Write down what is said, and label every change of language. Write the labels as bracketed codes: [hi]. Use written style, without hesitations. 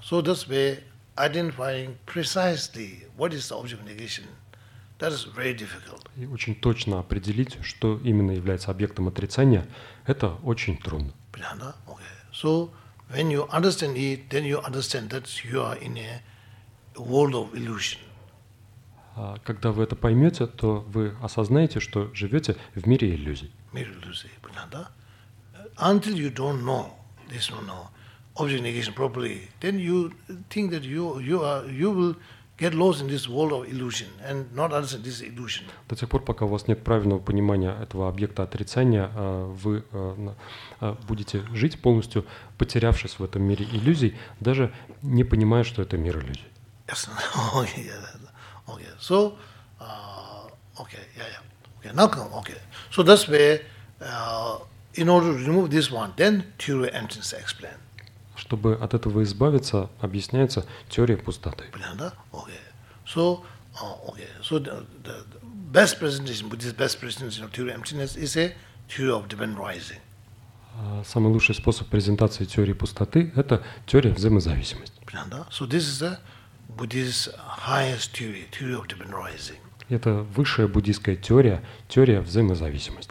[en] So that's where identifying precisely what is the object of negation, that is very difficult. [ru] И очень точно определить, что именно является объектом отрицания, это очень трудно. Понятно? Okay. [en] So when you understand it, then you understand that you are in a world of illusion. [ru] Когда вы это поймете, то вы осознаете, что живете в мире иллюзий. Мир иллюзий. Понятно? [en] Until you don't know this one, no. Object negation properly, then you think that you will get lost in this world of illusion and not understand this illusion. [ru] До тех пор, пока у вас нет правильного понимания этого объекта отрицания, вы будете жить полностью, потерявшись в этом мире иллюзий, даже не понимая, что это мир иллюзий. [en] Yes. Okay. So, okay. Yeah. Okay. Now, okay. So that's where, in order to remove this one, then theory of emptiness explained. [ru] Чтобы от этого избавиться, объясняется теория пустоты. Понятно? [en] Okay. So, okay. So the best presentation, Buddhist best presentation of theory of emptiness is a theory of dependent arising. [ru] Самый лучший способ презентации теории пустоты – это теория взаимозависимости. Понятно? [en] So this is the Buddhist highest theory, theory of dependent arising. [ru] Это высшая буддийская теория, теория взаимозависимости.